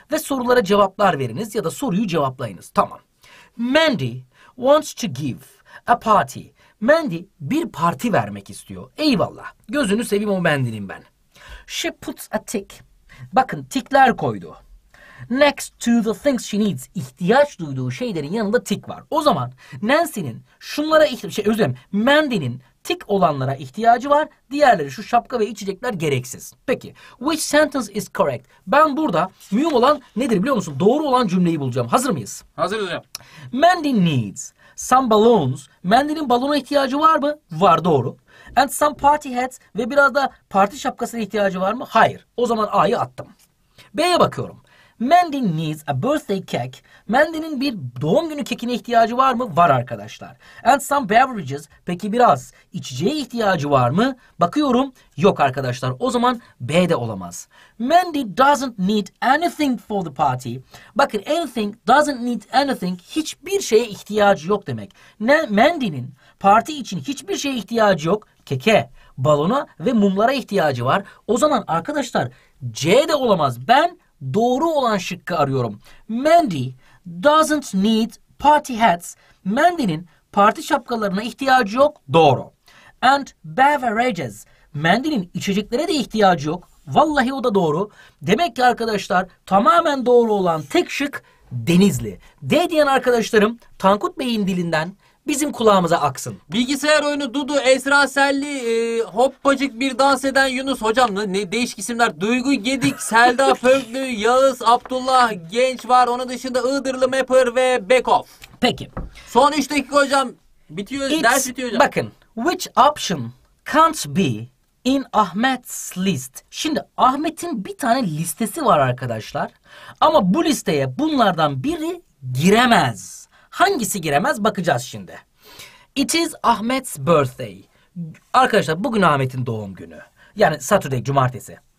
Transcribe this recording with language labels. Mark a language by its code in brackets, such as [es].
[tr] Ve sorulara cevaplar veriniz ya da soruyu cevaplayınız. Tamam. [en] Mandy wants to give a party. [tr] Mandy bir parti vermek istiyor. Eyvallah. Gözünü seveyim o Mandy'nin ben. [en] She puts a tick. [tr] Bakın tikler koydu. [en] Next to the things she needs. [tr] İhtiyaç duyduğu şeylerin yanında tik var. O zaman Nancy'nin şunlara Mandy'nin tik olanlara ihtiyacı var. Diğerleri şu şapka ve içecekler gereksiz. Peki. [en] Which sentence is correct? [tr] Ben burada mühim olan nedir biliyor musun? Doğru olan cümleyi bulacağım. Hazır mıyız? Hazırız hocam. [en] Mandy needs some balloons. [tr] Mandy'nin balona ihtiyacı var mı? Var, doğru. [en] And some party hats [tr] ve biraz da parti şapkasına ihtiyacı var mı? Hayır. O zaman A'yı attım. B'ye bakıyorum. [en] Mandy needs a birthday cake. [tr] Mandy'nin bir doğum günü kekine ihtiyacı var mı? Var arkadaşlar. [en] And some beverages. [tr] Peki biraz içeceğe ihtiyacı var mı? Bakıyorum. Yok arkadaşlar. O zaman B de olamaz. [en] Mandy doesn't need anything for the party. Bakın anything doesn't need anything. [tr] Hiçbir şeye ihtiyacı yok demek. Ne Mandy'nin parti için hiçbir şeye ihtiyacı yok. Keke, balona ve mumlara ihtiyacı var. O zaman arkadaşlar C de olamaz. Ben doğru olan şıkkı arıyorum. [en] Mandy doesn't need party hats. [tr] Mandy'nin parti şapkalarına ihtiyacı yok. Doğru. [en] And beverages. [tr] Mandy'nin içeceklere de ihtiyacı yok. Vallahi o da doğru. Demek ki arkadaşlar tamamen doğru olan tek şık Denizli. D diyen arkadaşlarım Tankut Bey'in dilinden bizim kulağımıza aksın. Bilgisayar oyunu Dudu, Esra Selli, hoppacık bir dans eden Yunus hocam, ne değişik isimler. Duygu Gedik, Selda Pöklü, Yağız Abdullah Genç var. Onun dışında Iğdırlı Mapper ve Bekov. Peki. Son 3 dakika hocam. Bitiyor, ders bitiyor hocam. Bakın. [en] Which option can't be in Ahmet's list? [tr] Şimdi Ahmet'in bir tane listesi var arkadaşlar. Ama bu listeye bunlardan biri giremez. Hangisi giremez bakacağız şimdi. [en] It is Ahmet's birthday. [tr] Arkadaşlar bugün Ahmet'in doğum günü. Yani Saturday, cumartesi.